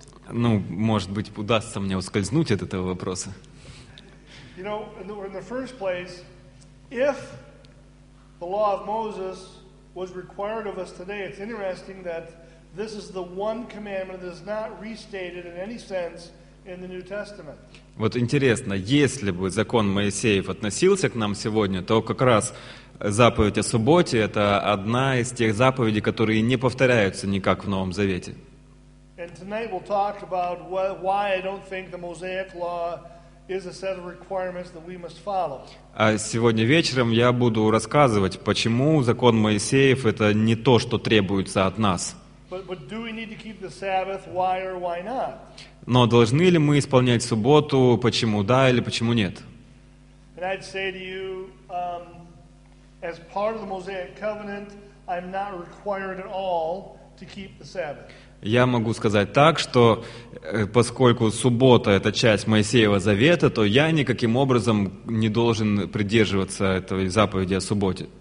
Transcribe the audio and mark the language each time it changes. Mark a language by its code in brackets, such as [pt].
[ru] Ну, может быть, удастся мне ускользнуть от этого вопроса. [en] You know, in the first place, if the law of Moses was required of us today, it's interesting that this is the one commandment that is not restated in any sense in the New Testament. [ru] Вот интересно, если бы закон Моисеев относился к нам сегодня, то как раз заповедь о субботе — это одна из тех заповедей, которые не повторяются никак в Новом Завете. [en] And tonight we'll talk about why I don't think the Mosaic law is a set of requirements that we must follow. [ru] А сегодня вечером я буду рассказывать, почему закон Моисеев — это не то, что требуется от нас. [en] But do we need to keep the Sabbath? Why or why not? [ru] Но должны ли мы исполнять субботу? Почему да или почему нет? [en] And I'd say to you, as part of the Mosaic covenant, I'm not required at all to keep the Sabbath. [ru] Я могу сказать так, что поскольку суббота — это часть Моисеева Завета, то я никаким образом не должен придерживаться этой заповеди о субботе.